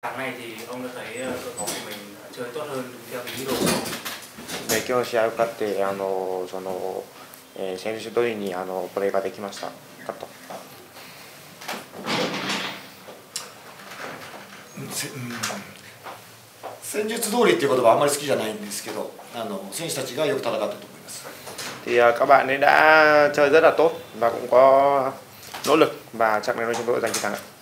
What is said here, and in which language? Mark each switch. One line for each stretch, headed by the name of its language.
Vietnamese: Tháng này thì ông đã thấy đội bóng của mình chơi tốt hơn đúng theo ý đồ của ông.
Japanese: 今日試合を勝って、その、選手通りにプレーができました。カット。戦術通りっていう言葉はあんまり好きじゃないんですけど、選手たちがよく戦ったと思います。
Vietnamese: Thì các bạn ấy đã chơi rất là tốt và cũng có nỗ lực và chắc chắn chúng tôi giành chiến thắng ạ.